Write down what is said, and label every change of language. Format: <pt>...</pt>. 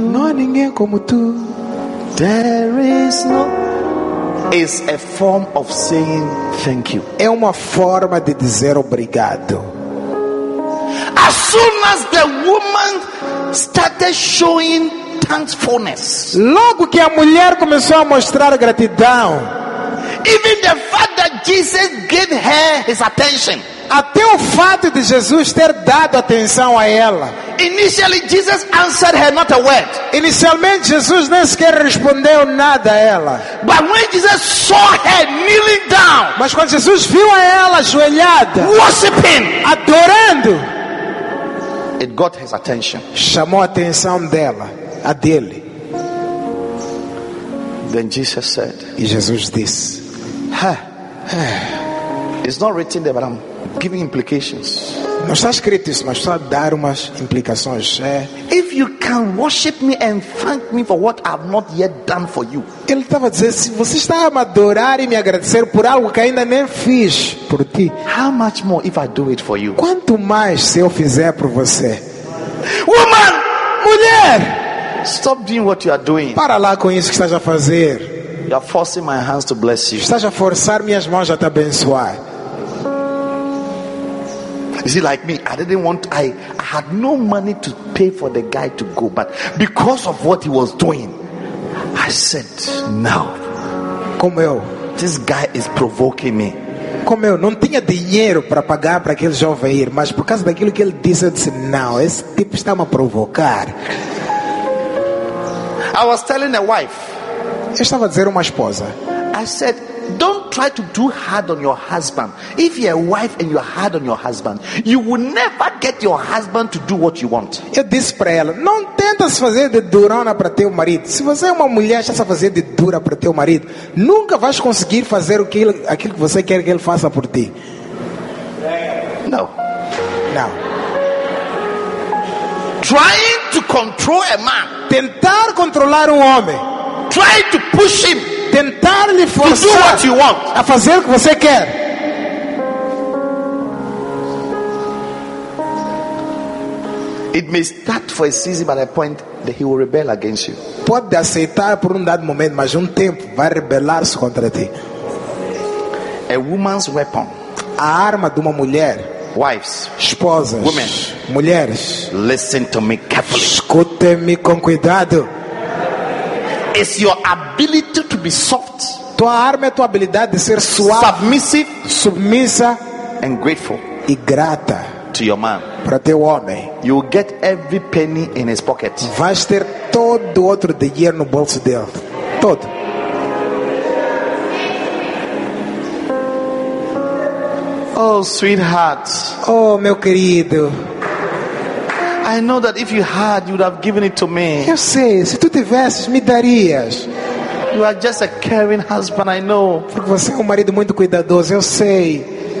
<pt>Não há ninguém como tu.</pt> <en>There is no. It's a form of saying thank you.</en> <pt>É uma forma de dizer obrigado.</pt> <en>As soon as the woman started showing thankfulness.</en> <pt>Logo que a mulher começou a mostrar gratidão.</pt> <en>Even the fact that Jesus gave her his attention.</en> <pt>Até o fato de Jesus ter dado atenção a ela.</pt> <en>Initially Jesus answered her not a word.</en> <pt>Inicialmente Jesus nem sequer respondeu nada a ela.</pt> <en>But when Jesus saw her kneeling down.</en> <pt>Mas quando Jesus viu a ela ajoelhada.</pt> <en>Worshiping.</en> <pt>Adorando.</pt> <en>It got his attention.</en> <pt>Chamou a atenção dela. A dele.</pt> <en>Then Jesus said,</en> <pt>e Jesus disse,</pt> <en>it's not written there, but I'm giving implications.</en> <pt>Não está escrito isso, mas só dar umas implicações. É.</pt> <en>If you can worship me and thank me for what I've not yet done for you.</en> <pt>Ele estava dizendo, se você está a me adorar e me agradecer por algo que ainda nem fiz por ti.</pt> <en>How much more if I do it for you?</en> <pt>Quanto mais se eu fizer por você?</pt> <en>Woman,</en> <pt>mulher.</pt> <en>Stop doing what you are doing.</en> <pt>Para lá com isso que estás a fazer.</pt> <en>You are forcing my hands to bless you.</en> <pt>Estás a forçar minhas mãos a te abençoar.</pt> <en>Is it like me? I didn't want. I had no money to pay for the guy to go, but because of what he was doing, I said, "No."</en> <pt>Como eu?</pt> <en>This guy is provoking me.</en> <pt>Como eu? Não tinha dinheiro para pagar para aquele jovem ir, mas por causa daquilo que ele disse, eu disse, "Não, esse tipo está a provocar."</pt> <en>I was telling a wife.</en> <pt>Eu estava a dizer uma esposa.</pt> <en>I said, don't try to do hard on your husband. If you're a wife and you're hard on your husband, you will never get your husband to do what you want.</en> <pt>Eu disse para ela, não tenta se fazer de durona para teu marido. Se você é uma mulher, está a fazer de dura para teu marido, nunca vais conseguir fazer aquilo que você quer que ele faça por ti.</pt> <en>No.</en> <pt>Não.</pt> <en>Trying to control a man.</en> <pt>Tentar controlar homem.</pt> <en>Try to push him.</en> <pt>Tentar lhe forçar.</pt> <en>To do what you want.</en> <pt>A fazer o que você quer.</pt> <en>It may start for a season, but at a point that he will rebel against you.</en> <pt>Pode aceitar por dado momento, mas tempo vai rebelar-se contra ti.</pt> <en>A woman's weapon.</en> <pt>A arma de uma mulher.</pt> <en>Wives,</en> <pt>esposas,</pt> <en>women,</en> <pt>mulheres,</pt> <en>listen to me carefully.</en> <pt>Escute-me com cuidado.</pt> <en>It's your ability to be soft.</en> <pt>Tua arma é tua habilidade de ser suave,</pt> <en>submissive,</en> <pt>submissa,</pt> <en>and grateful,</en> <pt>e grata,</pt> <en>to your man,</en> <pt>para teu homem.</pt> <en>You will get every penny in his pocket.</en> <pt>Vais ter todo outro dinheiro no bolso dele, todo.</pt> <en>Oh, sweetheart.</en> <pt>Oh, meu querido.</pt> <en>I know that if you had, you would have given it to me.</en> <pt>Eu sei, se tu tivesses, me darias.</pt> <en>You are just a caring husband, I know.</en> <pt>Porque você é marido muito cuidadoso, eu sei.</pt>